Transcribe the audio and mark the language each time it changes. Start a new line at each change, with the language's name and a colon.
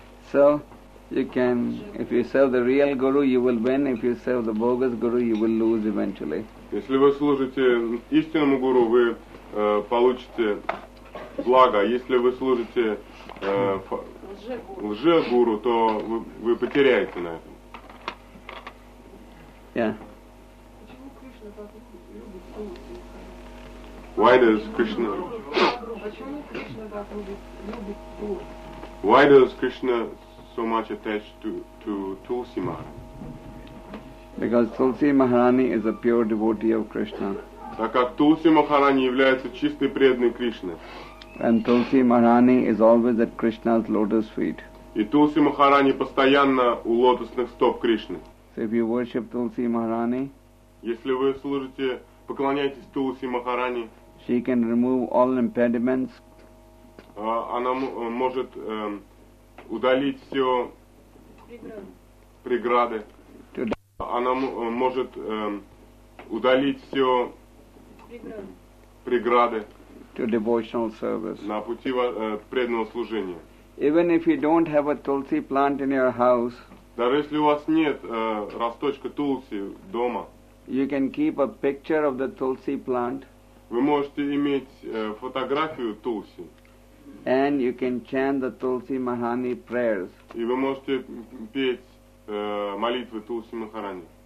English: So you can, if you serve the real guru, you will win. If you serve the bogus guru, you will lose eventually.
Russian: Если вы служите истинному гуру, вы получите благо. Если вы служите лже-гуру, то вы потеряете на этом.
English: Yeah. Why does Krishna so much attached to Tulsi Maharani? Because Tulsi Maharani is a pure devotee of Krishna.
Russian: Так как Тулси Махарани является чистой преданной Кришны.
English: And Tulsi Maharani is always at Krishna's lotus feet.
Russian: И Тулси Махарани постоянно у лотосных стоп Кришны.
English: So if you worship Tulsi Maharani,
Russian: если вы служите, поклоняетесь Тулси Махарани,
English: she can remove all impediments.
Russian: Она может удалить все преграды. Она может удалить все преграды
English: to devotional service.
Russian: На пути преданного служения.
English: Even if you don't have a tulsi plant in your house,
Russian: даже если у вас нет росточка тулси дома,
English: you can keep a picture of the tulsi plant.
Russian: Вы можете иметь фотографию тулси.
English: And you can chant the Tulsi Maharani prayers.
Russian: И вы можете петь молитвы Тулси Махарани.